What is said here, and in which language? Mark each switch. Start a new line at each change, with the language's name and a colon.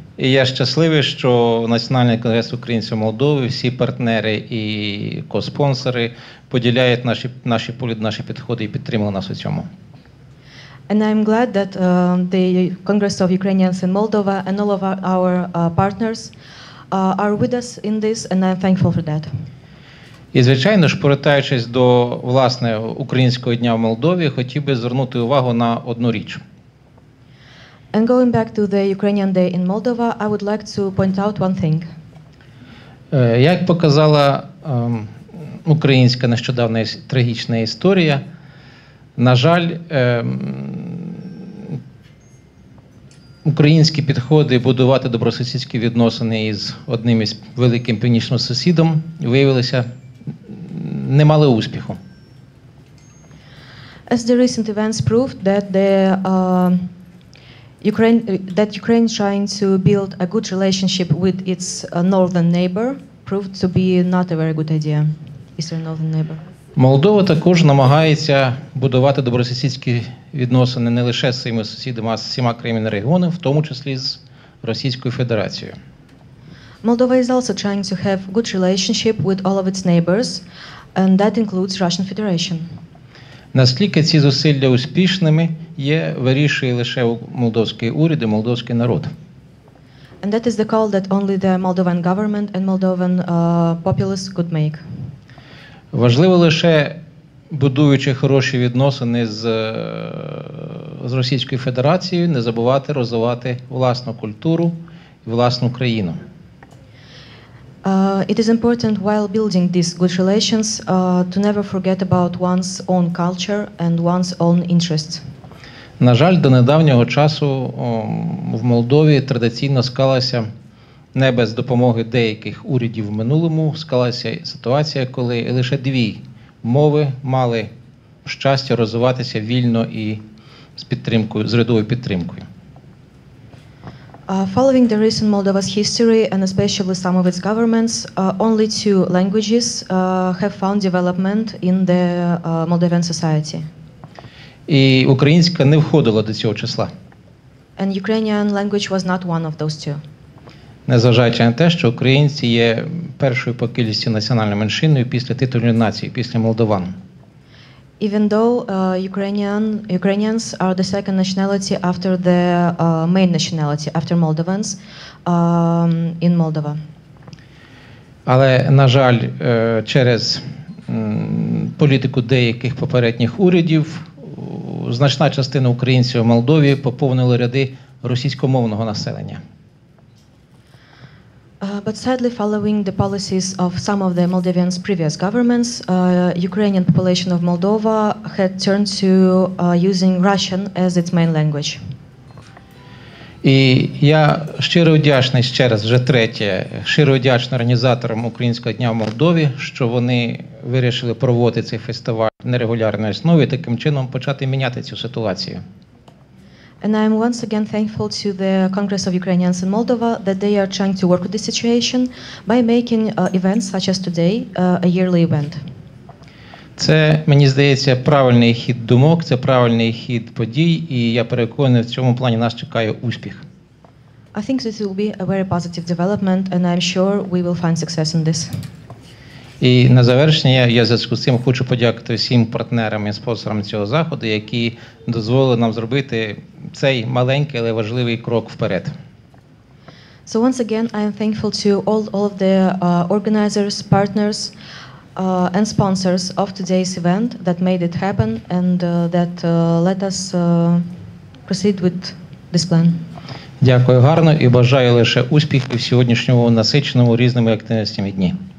Ukrainian: І я щасливий, що Національний конгрес українців Молдови, всі партнери і коспонсори поділяють наші підходи і підтримують нас у цьому.
English: And I'm glad that the Congress of Ukrainians in Moldova and all of our partners are with us in this, and I'm thankful for that.
Ukrainian: І, звичайно ж, повертаючись до, власне, Українського дня в Молдові, хотів би звернути увагу на одну річ.
English: And going back to the Ukrainian Day in Moldova, I would like to point out one thing.
Ukrainian: Як показала українська нещодавна трагічна історія, на жаль, українські підходи будувати добросусідські відносини із одним із великим північним сусідом виявилися не мали успіху.
English: As the recent events proved that the Ukraine trying to build a good relationship with its northern neighbor proved to be not a very good idea. Eastern northern neighbor.
Ukrainian: Молдова також намагається будувати добросусідські відносини не лише з своїми сусідами, а з усіма країнами регіону, в тому числі з Російською Федерацією.
English: Moldova is also trying to have good relationship with all of its neighbors, and that includes Russian Federation.
Ukrainian: Наскільки ці зусилля успішними є, вирішує лише молдовський уряд і молдовський народ.
English: And that is the call that only the Moldovan government and Moldovan populace could make.
Ukrainian: Важливо лише, будуючи хороші відносини з Російською Федерацією, не забувати розвивати власну культуру і власну країну.
English: It is important while building these good relations to never forget about one's own culture and one's own interests.
Ukrainian: На жаль, до недавнього часу в Молдові традиційно склалася не без допомоги деяких урядів в минулому, склалася ситуація, коли лише дві мови мали щастя розвиватися вільно і з підтримкою, з рядовою підтримкою.
English: Following the recent Moldova's history and especially some of its governments, only two languages have found development in the Moldovan society.
Ukrainian: І українська не входила до цього числа.
English: And Ukrainian language was not one of those two.
Ukrainian: Незважаючи на те, що українці є першою по кількості національною меншиною після титульної нації, після молдован.
English: Even though Ukrainians are the second nationality after the main nationality, after Moldovans, in Moldova.
Ukrainian: Але, на жаль, через політику деяких попередніх урядів, значна частина українців в Молдові поповнили ряди російськомовного населення.
English: But sadly, following the policies of some of the Moldovan's previous governments, Ukrainian population of Moldova had turned to using Russian as its main language.
Ukrainian: І я щиро вдячний, ще раз, вже третє, щиро вдячний організаторам Українського дня в Молдові, що вони вирішили проводити цей фестиваль на регулярній основі, таким чином почати міняти цю ситуацію.
English: And I am once again thankful to the Congress of Ukrainians in Moldova that they are trying to work with the situation by making events such as today a yearly event.
Ukrainian: Це, мені здається, правильний хід думок, це правильний хід подій, і я переконаний, в цьому плані нас чекає успіх.
English: I think this will be a very positive development, and I'm sure we will find success in this.
Ukrainian: І на завершення я за зв'язку з цим хочу подякувати всім партнерам і спонсорам цього заходу, які дозволили нам зробити цей маленький, але важливий крок вперед.
English: So once again, I am thankful to all of the organizers, partners and sponsors of today's event that made it happen and that let us proceed with this plan.
Ukrainian: Дякую гарно і бажаю лише успіхів в сьогоднішньому насиченому різними активностями дні.